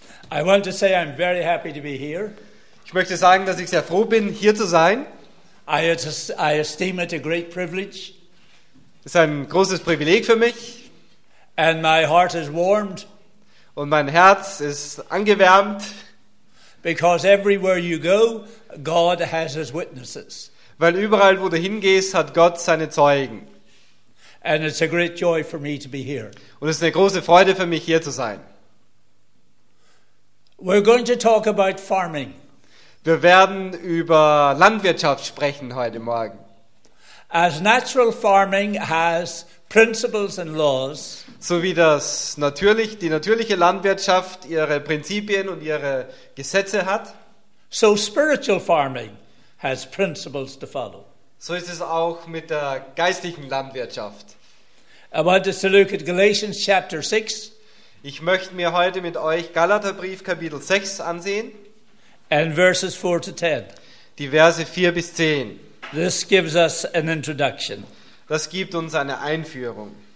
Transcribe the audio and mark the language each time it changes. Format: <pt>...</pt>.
<en>I want to say I'm very happy to be here.</en> <de>Ich möchte sagen, dass ich sehr froh bin, hier zu sein.</de> <en>I esteem it a great privilege.</en> <de>Es ist ein großes Privileg für mich.</de> <en>And my heart is warmed.</en> <de>Und mein Herz ist angewärmt.</de> <en>Because everywhere you go, God has his witnesses.</en> <de>Weil überall, wo du hingehst, hat Gott seine Zeugen.</de> <en>And it's a great joy for me to be here.</en> <de>Und es ist eine große Freude für mich, hier zu sein.</de> <en>We're going to talk about farming.</en> <de>Wir werden über Landwirtschaft sprechen heute Morgen.</de> <en>As natural farming has principles and laws,</en> <de>so wie das natürlich, die natürliche Landwirtschaft ihre Prinzipien und ihre Gesetze hat,</de> <en>so spiritual farming has principles to follow.</en> <de>So ist es auch mit der geistlichen Landwirtschaft.</de> <en>I want us to look at Galatians chapter 6.</en> <de>Ich möchte mir heute mit euch Galaterbrief Kapitel 6 ansehen.</de> <en>And verses 4 to 10.</en> <de>Die Verse 4 bis 10.</de> <en>This gives us an introduction.</en> <de>Das gibt uns eine Einführung.</de>